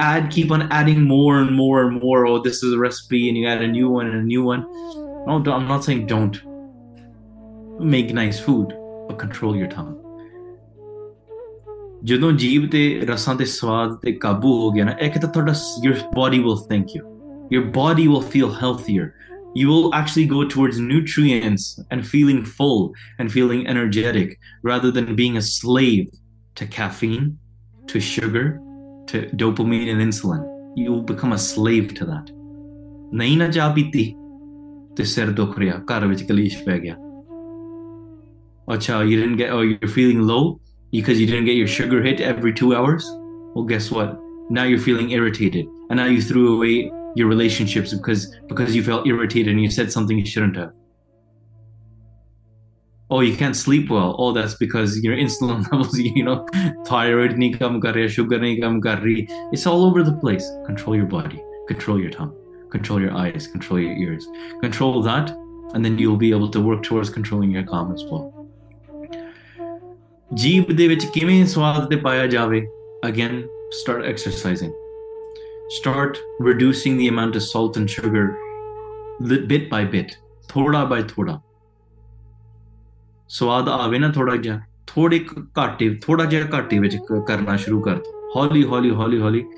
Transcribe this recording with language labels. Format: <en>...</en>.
<en>Keep on adding more and more and more. Oh, this is a recipe, and you add a new one and a new one. No, I'm not saying don't make nice food. Control your tongue.</en> <pa>ਜਦੋਂ ਜੀਭ ਤੇ ਰਸਾਂ ਤੇ ਸਵਾਦ ਤੇ ਕਾਬੂ ਹੋ ਗਿਆ ਨਾ, ਇੱਕ ਤਾਂ ਤੁਹਾਡਾ</pa> <en>Your body will thank you, your body will feel healthier, you will actually go towards nutrients and feeling full and feeling energetic rather than being a slave to caffeine, to sugar, to dopamine and insulin. You will become a slave to that.</en> <pa>ਨਹੀਂ ਨਾ ਚਾਹ ਪੀਤੀ ਤੇ ਸਿਰ ਦੁੱਖ ਰਿਹਾ, ਘਰ ਵਿੱਚ ਕਲੇਸ਼ ਪੈ ਗਿਆ।</pa> <en>ਅੱਛਾ, you didn't get, or you feeling low because you didn't get your sugar hit every 2 hours. Well, guess what? Now you're feeling irritated. And now you threw away your relationships because you felt irritated and you said something you shouldn't have. Oh, you can't sleep well. Oh, that's because your insulin levels, you know,</en> <pa>thyroid nahi kam kar rahi,</pa> <en>sugar nahi kam kar rahi. It's all over the place. Control your body, control your tongue, control your eyes, control your ears. Control that, and then you'll be able to work towards controlling your calm as well.</en> <pa>ਜੀਭ ਦੇ ਵਿੱਚ ਕਿਵੇਂ ਸਵਾਦ ਤੇ ਪਾਇਆ ਜਾਵੇ?</pa> <en>again start exercising, start reducing the amount of salt and sugar bit by bit,</en> <pa>ਥੋੜ੍ਹਾ ਬਾਈ ਥੋੜ੍ਹਾ। ਸਵਾਦ ਆਵੇ ਨਾ ਥੋੜ੍ਹਾ ਜਿਹਾ, ਥੋੜ੍ਹੇ ਘਾਟੇ ਥੋੜ੍ਹਾ ਜਿਹਾ ਘਾਟੇ ਵਿੱਚ ਕਰਨਾ ਸ਼ੁਰੂ ਕਰ ਦਿਓ, ਹੌਲੀ ਹੌਲੀ ਹੌਲੀ ਹੌਲੀ।</pa>